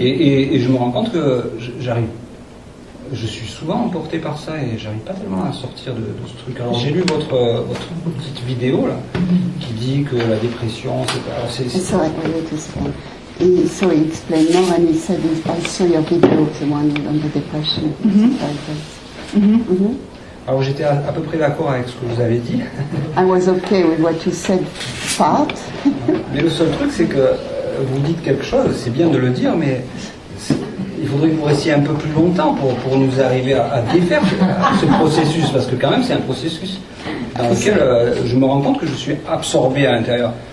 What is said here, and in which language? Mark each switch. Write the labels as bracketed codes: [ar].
[fr] Et je me rends compte que je suis souvent emporté par ça et j'arrive pas tellement à sortir de ce truc. Alors j'ai lu votre petite vidéo là qui dit que la dépression c'est pas. Alors, [en] so he explained more and he said also your video, the one on the depression. [fr] Alors j'étais à peu près d'accord avec ce que vous avez dit. [en] I was okay with what you said part. [fr] Mais le seul truc c'est que vous dites quelque chose, c'est bien de le dire, mais il faudrait que vous restiez un peu plus longtemps pour nous arriver à défaire ce processus, parce que quand même c'est un processus dans lequel je me rends compte que je suis absorbé à l'intérieur.